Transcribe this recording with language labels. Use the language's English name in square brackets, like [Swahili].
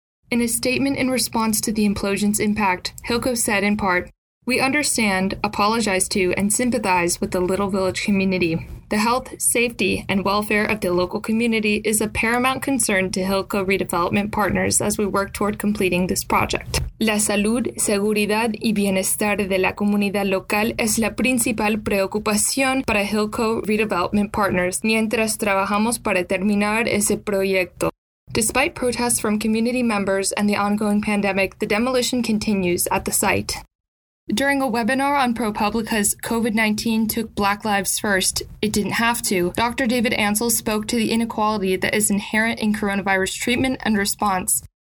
[English] In a statement in response to the implosion's impact, Hilco said in part, "We understand, apologize to, and sympathize with the Little Village community. The health, safety, and welfare of the local community is a paramount concern to Hilco Redevelopment Partners as we work toward completing this project. [Spanish] La salud, seguridad, y bienestar de la comunidad local es la principal preocupación para Hilco Redevelopment Partners mientras trabajamos para terminar ese proyecto." [English] Despite protests from community members and the ongoing pandemic, the demolition continues at the site. During a webinar on ProPublica's COVID-19 took Black Lives First, it didn't have to, Dr. David Ansel spoke to the inequality that is inherent in coronavirus treatment and response.